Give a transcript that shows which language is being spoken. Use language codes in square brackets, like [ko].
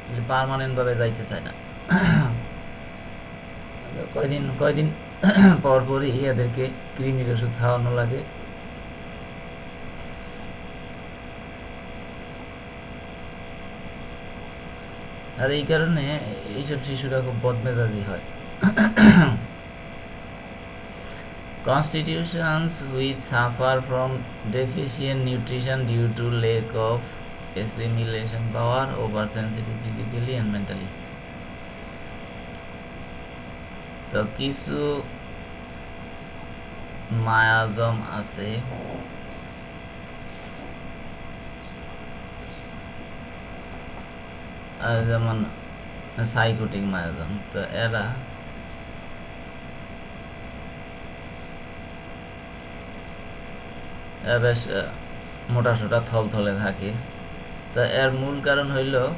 [bn] পারমানেন্টভাবে যাইতে চায় না, কয়দিন কয়দিন পরপরই এদেরকে কৃমির ওষুধ খাওয়ানো লাগে, আর এই কারণে এইসব শিশুরা খুব বদমেজাজি হয়। [en] Constitutions which suffer from deficient nutrition due to lack of assimilation power, oversensitive physically and mentally. [bn] তো কিছু মায়াজম আছে যেমন সাইকোটিক মায়াজম, তো এরা বেশ মোটাসোটা থল থলে থাকে, তো এর মূল কারণ হইল